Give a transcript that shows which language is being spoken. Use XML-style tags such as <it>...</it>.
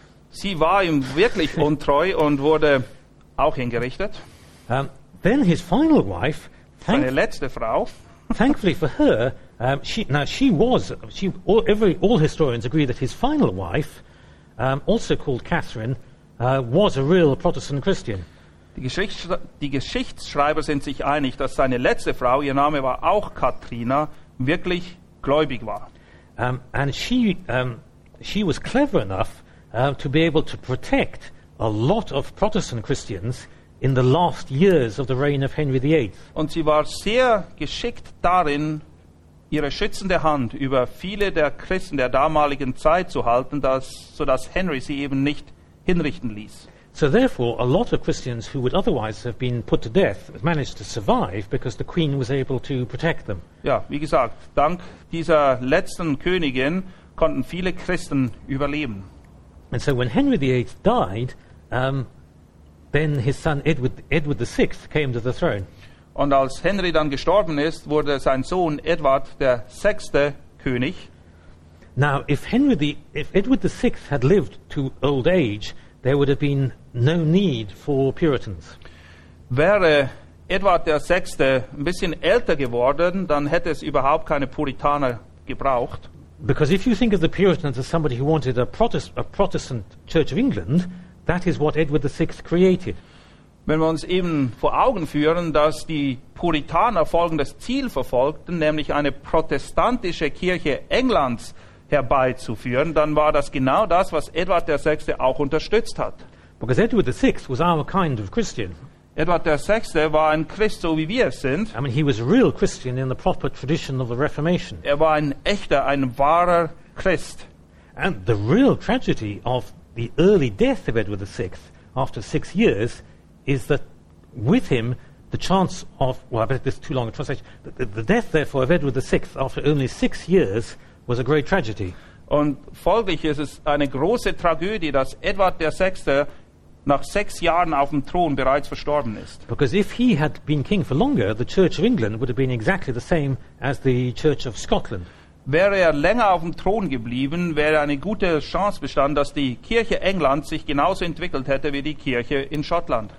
<de>Sie war ihm wirklich untreu und wurde auch hingerichtet.</de> <en>Then his final wife,</en> <de>seine letzte Frau.</de> <en>Thankfully for her, all historians agree that his final wife, also called Catherine, was a real Protestant Christian.</en> <de>Die Geschichtsschreiber sind sich einig, dass seine letzte Frau, ihr Name war auch Katrina, wirklich gläubig war.</de> <en>And she was clever enough to be able to protect a lot of Protestant Christians in the last years of the reign of Henry VIII.</en> <de>Und sie war sehr geschickt darin, ihre schützende Hand über viele der Christen der damaligen Zeit zu halten, sodass Henry sie eben nicht hinrichten ließ.</de> <en>So therefore, a lot of Christians who would otherwise have been put to death managed to survive because the Queen was able to protect them.</en> <de>Ja, wie gesagt, dank dieser letzten Königin konnten viele Christen überleben.</de> <en>And so when Henry VIII died, then his son Edward VI came to the throne.</en> <de>Und als Henry dann gestorben ist, wurde sein Sohn Edward der sechste König.</de> <en>Now, if Edward the Sixth had lived to old age, there would have been no need for Puritans.</en> <de>Wäre Edward der Sechste ein bisschen älter geworden, dann hätte es überhaupt keine Puritaner gebraucht.</de> <en>Because if you think of the Puritans as somebody who wanted a Protestant Church of England, that is what Edward the Sixth created.</en> <de>Wenn wir uns eben vor Augen führen, dass die Puritaner folgendes Ziel verfolgten, nämlich eine protestantische Kirche Englands herbeizuführen, dann war das genau das, was Edward der Sechste auch unterstützt hat.</de> <en>Because Edward the Sixth was our kind of Christian.</en> <de>Edward der Sechste war ein Christ, so wie wir es sind.</de> <en>I mean, he was a real Christian in the proper tradition of the Reformation.</en> <de>Er war ein echter, ein wahrer Christ.</de> <en>And the real tragedy of the early death of Edward the Sixth after 6 years is that with him the chance of, well, I bet this is too long a translation, the death therefore of Edward the Sixth after only 6 years was a great tragedy.</en> <de>Und folglich ist es eine große Tragödie, dass Edward der Sechste nach 6 Jahren auf dem Thron bereits verstorben ist.</de> <en>Because if he had been king for longer, the Church of England would have been exactly the same as the Church of Scotland.</en> <de>Wäre er länger auf dem Thron geblieben, wäre eine gute Chance bestanden, dass die Kirche Englands sich genauso entwickelt hätte wie die Kirche in Schottland.</de>